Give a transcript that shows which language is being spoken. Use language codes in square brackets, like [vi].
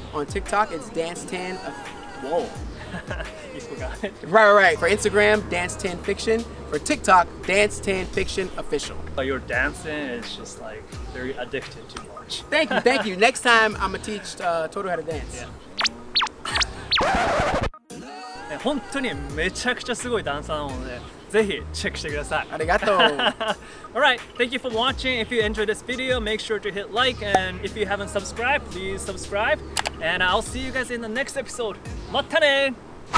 [en] On TikTok, it's Dance10. Whoa. You forgot it. Right. For Instagram, Dance10 Fiction. For TikTok, Dance10 Fiction Official. So your dancing is just like very addicted to watch. Thank you. Next time, I'm going to teach Toru how to dance. Yeah. [ja] 本当にめちゃくちゃすごいダンサーなので。ぜひチェックしてください。ありがとう。 [en] Alright, thank you for watching. If you enjoyed this video, make sure to hit like. And if you haven't subscribed, please subscribe. And I'll see you guys in the next episode. [ja] またねー!